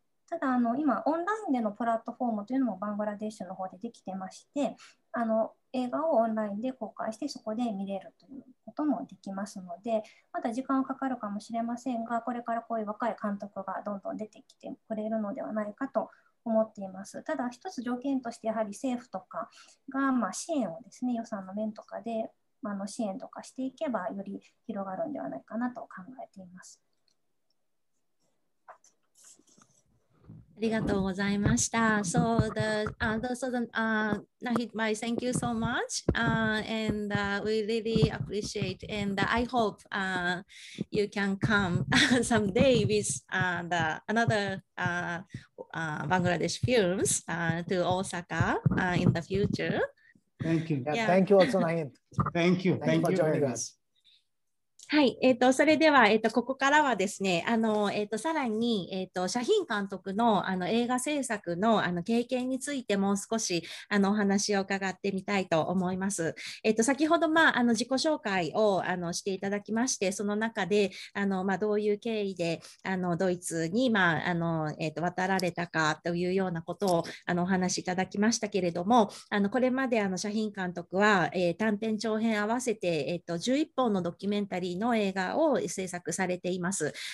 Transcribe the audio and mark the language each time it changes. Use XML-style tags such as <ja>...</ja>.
<ja>ただ今オンラインでのプラットフォームというのもバングラデシュの方でできてまして、映画をオンラインで公開してそこで見れるということもできますので、まだ時間はかかるかもしれませんが、これからこういう若い監督がどんどん出てきてくれるのではないかと思っています。ただ一つ条件としてやはり政府とかがまあ支援をですね、予算の面とかで支援とかしていけばより広がるんではないかなと考えています。ありがとうございました。</ja> <en>So the, those are the, Nahid Mai, thank you so much, and we really appreciate, and I hope you can come someday with another Bangladesh films to Osaka in the future. Thank you. Yeah. Thank you also, Nahid. Thank you for joining us.</en> <ja>はい、それでは、ここからはですね、さらに、シャヒン監督の、映画制作の、経験についてもう少し、お話を伺ってみたいと思います。先ほど、まあ、自己紹介を、していただきまして、その中で、まあ、どういう経緯で、ドイツに、まあ、渡られたかというようなことを、お話しいただきましたけれども、これまで、シャヒン監督は、短編長編合わせて、11本のドキュメンタリーの映画を制作されています。</ja>